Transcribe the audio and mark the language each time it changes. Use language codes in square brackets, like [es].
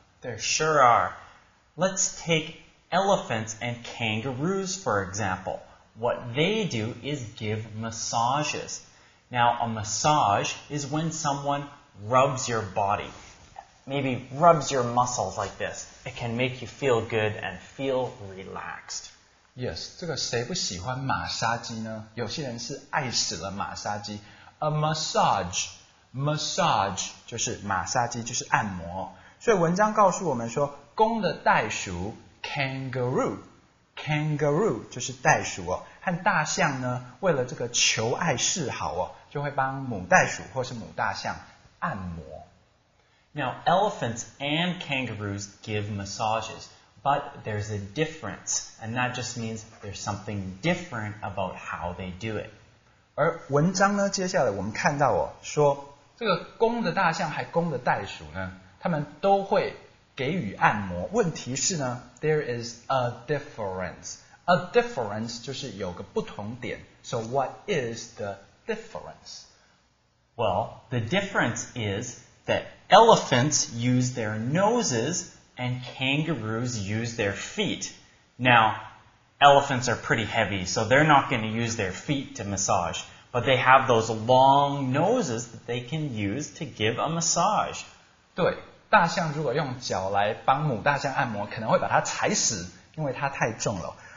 [en] There sure are. Let's take elephants and kangaroos, for example. What they do is give massages. Now, a massage is when someone rubs your body. Maybe rubs your muscles like this. It can make you feel good and feel relaxed. [zh] Yes, 这个谁不喜欢马杀鸡呢？有些人是爱死了马杀鸡。 [en] A massage... Massage [zh] 就是马杀鸡，就是按摩。所以文章告诉我们说，公的袋鼠 kangaroo 就是袋鼠哦，和大象呢，为了这个求爱示好哦，就会帮母袋鼠或是母大象按摩。 [en] Now elephants and kangaroos give massages, but there's a difference, and that just means there's something different about how they do it. [zh] 而文章呢，接下来我们看到哦，说。这个公的大象还公的袋鼠呢他们都会给予按摩问题是呢 [en] There is a difference A difference [zh] 就是有个不同点 [en] So what is the difference? Well, the difference is that elephants use their noses and kangaroos use their feet Now, elephants are pretty heavy so they're not going to use their feet to massageBut they have those long noses that they can use to give a massage. [zh] 对，大象如果用脚来帮母大象按摩，可能会把它踩死，因为它太重了。